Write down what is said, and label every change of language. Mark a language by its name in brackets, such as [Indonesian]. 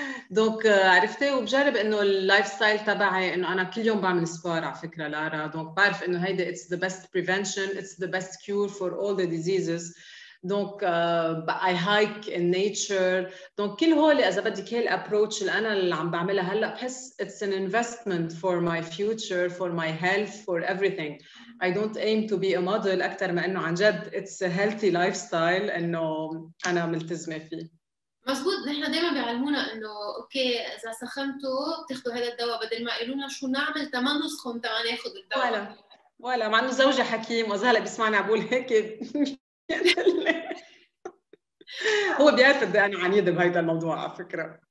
[Arabic] دونك عرفتي وبجرب إنه اللايف ستايل تبعي إنه أنا كل يوم بعمل سبور على فكرة لارا. دونك بعرف إنه هيدا [English] it's the best prevention, it's the best cure for all the diseases. [Arabic] دونك [English] I hike in nature. [Arabic] دونك كل هول إذا بدك هي الابروتش اللي أنا اللي عم بعملها هلا بحس [English] it's an investment for my future, for my health, for everything. I don't aim to be a model [Arabic] أكثر ما إنه عن جد [English] it's a healthy lifestyle [Arabic] إنه أنا ملتزمة فيه. مزبوط. نحن دائما بيعلمونا انه اوكي اذا سخنتوا بتاخذوا هذا الدواء بدل ما يقولونا شو نعمل تمام نسخن تمام ناخذ الدواء. ولا ولا مع انه زوجي حكيم واذا هلا بيسمعنا بقول هيك هو بيعرف قد انا عنيده بهذا الموضوع على فكره.